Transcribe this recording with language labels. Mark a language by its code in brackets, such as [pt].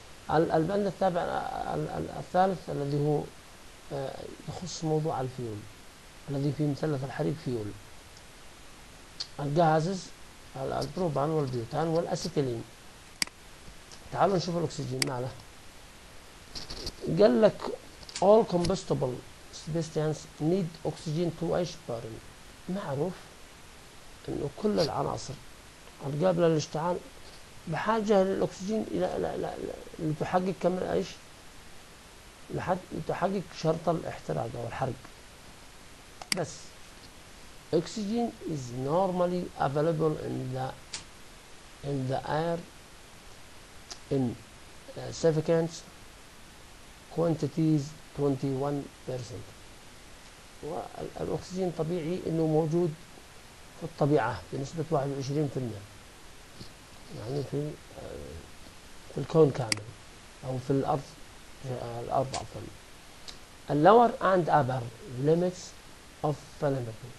[ar] البند التابع الثالث الذي هو يخص موضوع الفيول الذي في مثلث الحريق فيول الجازز البروبان والبيوتان والاسيتيلين. تعالوا نشوف الاكسجين معنا. [en] قال لك all combustible substances need oxygen to ash burn. [ar] معروف انه كل العناصر القابله للاشتعال بحاجه للاكسجين الى لتحقق كم ايش؟ لحد لتحقق شرط الاحتراق او الحرق. [en] بس oxygen is normally available in the air in significant quantities 21%. [ar] والاكسجين طبيعي انه موجود في الطبيعه بنسبه 21% يعني في الكون كامل او في الارض. الارض عفوا. [en] اللور and upper limits of flammable.